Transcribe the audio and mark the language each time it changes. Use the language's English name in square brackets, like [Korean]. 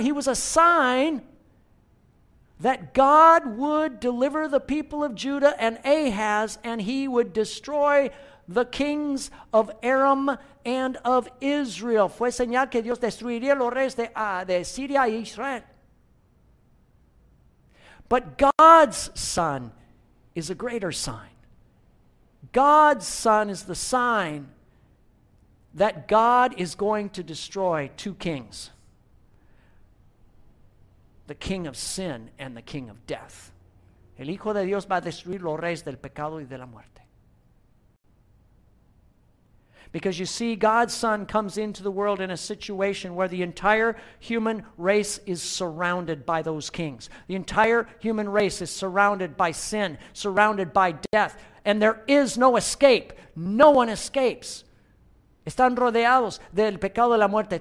[English] He was a sign that God would deliver the people of Judah and Ahaz, and he would destroy the kings of Aram and of Israel. [Spanish] Fue señal que Dios destruiría los reyes de Siria y Israel. [English] But God's son is a greater sign. God's son is the sign that God is going to destroy two kings, the king of sin and the king of death. [Spanish] El Hijo de Dios va a destruir los reyes del pecado y de la muerte. [English] Because you see, God's son comes into the world in a situation where the entire human race is surrounded by those kings. The entire human race is surrounded by sin, surrounded by death, and there is no escape. No one escapes. [Spanish] Están rodeados del pecado de la muerte.